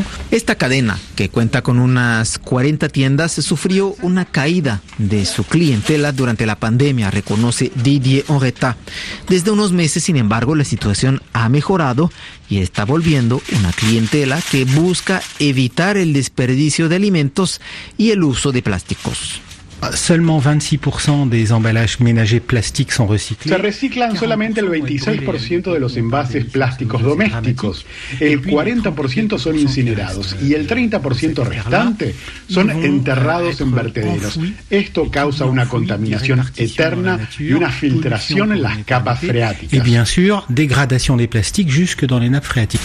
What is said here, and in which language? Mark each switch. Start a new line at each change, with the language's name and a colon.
Spanish: Esta cadena, que cuenta con unas 40 tiendas, sufrió una caída de su clientela durante la pandemia, reconoce Didier Henretat. Desde unos meses, sin embargo, la situación ha mejorado y está volviendo una clientela que busca evitar el desperdicio de alimentos y el uso de plásticos.
French: Seulement 26% des emballages ménagers plastiques sont recyclés.
Spanish: Se reciclan solamente el 26% de los envases plásticos domésticos. El 40% son incinerados y el 30% restante son enterrados en vertederos. Esto causa una contaminación eterna y una filtración en las capas freáticas.
French: Et bien sûr, dégradation des plastiques jusque dans les nappes phréatiques.